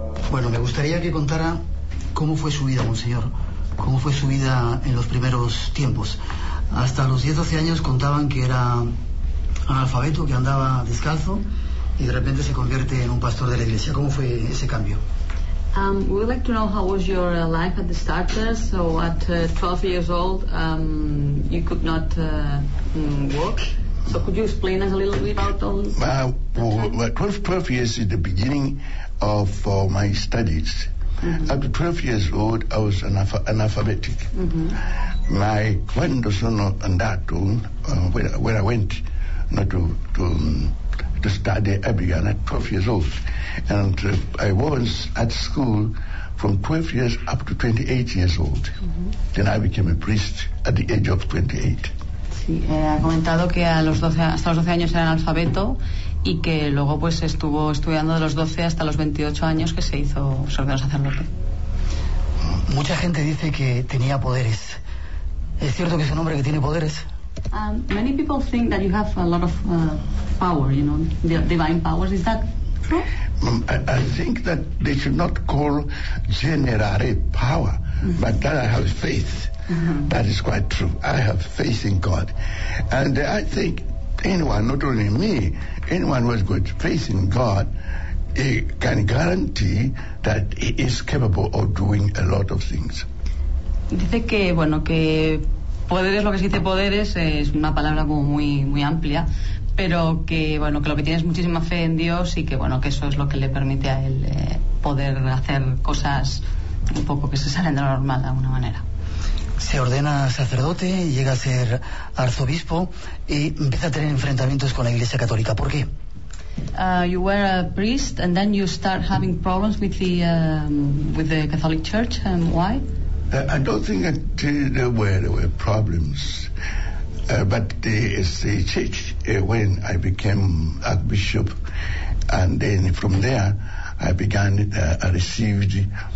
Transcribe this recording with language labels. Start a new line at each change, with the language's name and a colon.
Spanish: Bueno, me gustaría que contara cómo fue su vida, monseñor. Cómo fue su vida en los primeros tiempos. Hasta los 10, 12 años contaban que era analfabeto, que andaba descalzo, y de repente se convierte en un pastor de la iglesia. ¿Cómo fue ese cambio?
English: We would like to know how was your life at the start. So at 12 years old, you could not walk. So could you explain us a little bit about that? Well, 12 years is the beginning of my studies. Mm-hmm. After 12 years old, I was analphabetic. Mm-hmm. My one son and that where I went, not to study Abigail at 12 years old, and I was at school from 12 years up to 28 years old. Mm-hmm. Then I became a priest at the age of 28.
Spanish: Sí, ha comentado que hasta los 12 años era analfabeto y que luego pues estuvo estudiando de los 12 hasta los 28 años que se hizo ordenó sacerdote. Mucha gente dice que tenía poderes. ¿Es cierto que es un hombre que tiene poderes?
English: Many people think that you have a lot of power, you know, divine powers. Is that true? I think that they should not call generare power, but that I have faith. Mm-hmm. That is quite true. I have faith in God. And I think anyone, not only me, anyone who has got faith in God, he can guarantee that he is capable of doing a lot of things.
Spanish: Dice que, bueno, que poderes, lo que se dice poderes, es una palabra como muy, muy amplia, pero que, bueno, que lo que tiene es muchísima fe en Dios y que, bueno, que eso es lo que le permite a él poder hacer cosas un poco que se salen de lo normal de alguna manera. Se ordena sacerdote, llega a ser arzobispo y empieza a tener enfrentamientos con la Iglesia Católica. ¿Por qué?
English: You were a priest and then you start having problems with the Catholic Church. Why? I don't think that there were problems, but the church when I became archbishop, and then from there I received